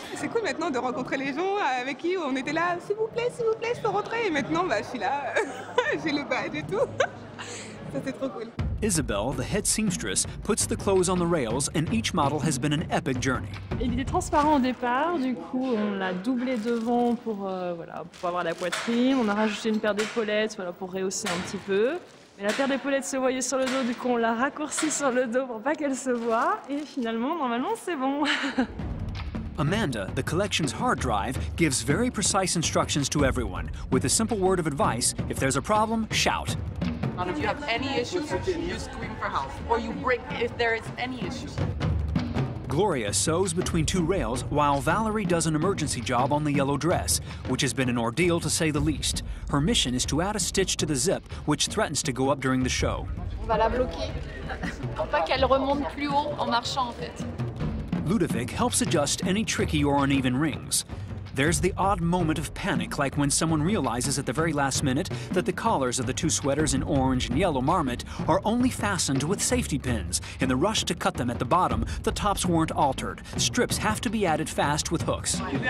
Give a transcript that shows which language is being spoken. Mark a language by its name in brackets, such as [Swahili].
[French] C'est cool maintenant de rencontrer les gens avec qui on était là, s'il vous plaît, je peux rentrer. Et maintenant, bah, je suis là, j'ai le badge et tout. Ça, c'est trop cool. [English] Isabel, the head seamstress, puts the clothes on the rails and each model has been an epic journey. [French] Il était transparent au départ, du coup on l'a doublé devant pour, voilà, pour avoir la poitrine, on a rajouté une paire d'épaulettes, voilà, pour rehausser un petit peu. Mais la paire d'épaulettes se voyait sur le dos, du coup on l'a raccourci sur le dos pour pas qu'elle se voie et finalement normalement c'est bon. [English] Amanda, the collection's hard drive, gives very precise instructions to everyone with a simple word of advice: if there's a problem, shout. If you have any issues, you scream for help. Or you break if there is any issue. Gloria sews between two rails while Valerie does an emergency job on the yellow dress, which has been an ordeal to say the least. Her mission is to add a stitch to the zip, which threatens to go up during the show. [French] On va la bloquer pour pas qu'elle remonte plus haut en marchant, en fait. [English] Ludovic helps adjust any tricky or uneven rings. There's the odd moment of panic, like when someone realizes at the very last minute that the collars of the two sweaters in orange and yellow marmot are only fastened with safety pins. In the rush to cut them at the bottom, the tops weren't altered. Strips have to be added fast with hooks.